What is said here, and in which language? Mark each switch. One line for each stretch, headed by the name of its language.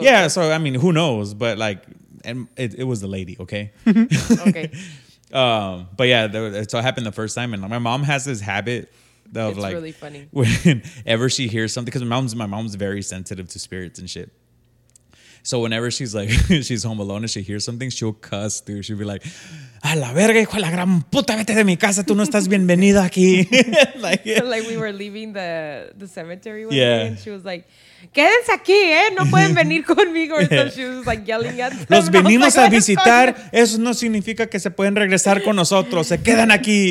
English: Yeah. So, I mean, who knows? But like, and it was the lady. Okay. Okay. But yeah, so it happened the first time. And my mom has this habit of it's like, really funny. Whenever she hears something, because my mom's very sensitive to spirits and shit. So whenever she's like, she's home alone and she hears something, she'll cuss, dude. She'll be like,
Spanish: a la verga, hijo de la gran puta, vete de mi casa, tú no estás bienvenido aquí.
English: like we were leaving the cemetery one day, and she was like,
Spanish: quédense aquí, no pueden venir conmigo.
English: Yeah. So she was like yelling at them.
Spanish: Los venimos a visitar, eso no significa que se pueden regresar con nosotros, se quedan aquí.